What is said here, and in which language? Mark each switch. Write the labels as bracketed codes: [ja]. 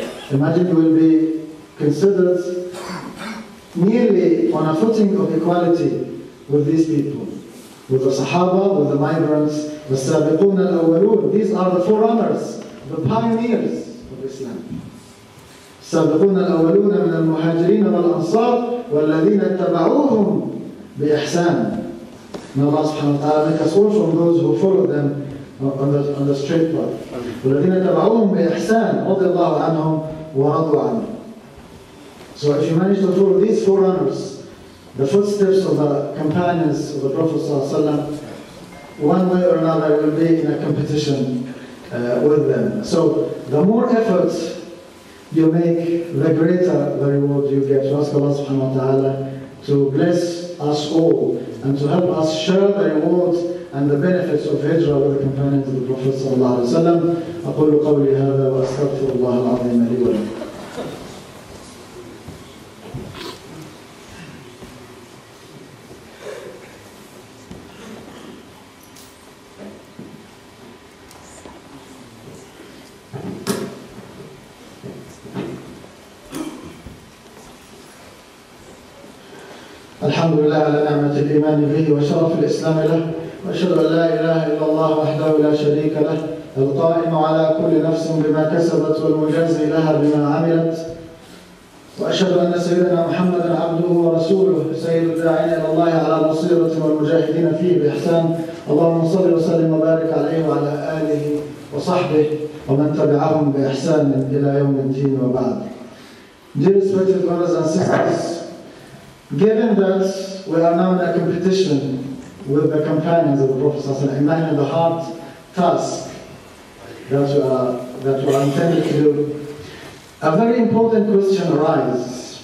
[en] Imagine you will be considered nearly on a footing of equality with these people, with the Sahaba, with the migrants. [ar] السابقون الأولون. [en] These are the forerunners, the pioneers of Islam. [ar] السابقون الأولون من المهاجرين والأنصار والذين اتبعوهم بإحسان. [en] May Allah subhanahu wa ta'ala make us all from those who followed them on the straight path. [ar] والذين اتبعوهم بإحسان رضي الله عنهم ورضوا عنه. [en] So if you manage to follow these forerunners, the footsteps of the companions of the Prophet sallallahu alaihi wasallam, one way or another will be in a competition with them. So the more effort you make, the greater the reward you get. Ask Allah subhanahu wa ta'ala to bless us all and to help us share the reward and the benefits of Hijrah with the companions of the Prophet sallallahu alaihi wasallam. [ar] أقول قولي هذا وأستغفر الله العظيم لي ولكم. الحمد لله على نعمة الإيمان به وشرف الإسلام له وأشهد أن لا إله إلا الله وحده لا شريك له القائم على كل نفس بما كسبت والمجازي لها بما عملت وأشهد أن سيدنا محمد عبده ورسوله سيد الداعين إلى الله على بصيرة والمجاهدين فيه بإحسان اللهم صل وسلم وبارك عليه وعلى آله وصحبه ومن تبعهم بإحسان إلى يوم الدين وبعد. [en] Dear respected brothers and sisters, given that we are now in a competition with the companions of the Prophet, imagine the hard task that we are intended to do, a very important question arises.